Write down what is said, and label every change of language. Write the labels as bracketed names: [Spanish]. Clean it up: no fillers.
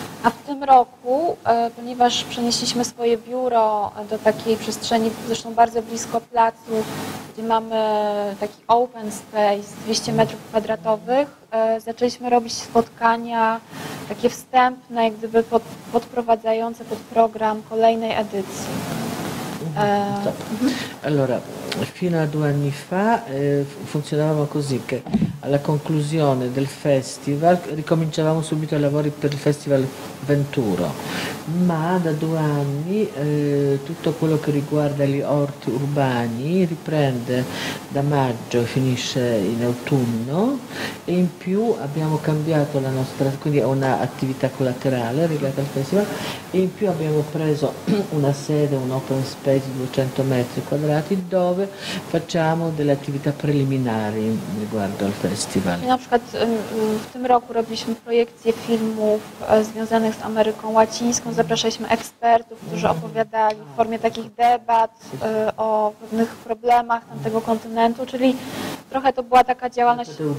[Polish] A w tym roku, ponieważ przenieśliśmy swoje biuro do takiej przestrzeni, zresztą bardzo blisko placu, gdzie mamy taki open space 200 metrów kwadratowych, zaczęliśmy robić spotkania takie wstępne, jak gdyby podprowadzające pod program kolejnej edycji. [Italian] Allora, fino a 2 anni fa funzionavamo così, che alla conclusione del festival ricominciavamo subito i lavori per il festival Venturo, ma da 2 anni tutto quello che riguarda gli orti urbani riprende da maggio e finisce in autunno, e in più abbiamo cambiato la nostra, quindi è un'attività collaterale legata al festival, e in più abbiamo preso una sede, un open space di 200 metri quadrati dove facciamo delle attività preliminari riguardo al festival. [Polish] Na przykład w tym roku robiliśmy proiekcje filmów związanych z Ameryką Łacińską, zapraszaliśmy ekspertów, którzy opowiadali w formie takich debat o pewnych problemach tamtego kontynentu, czyli trochę to była taka działalność...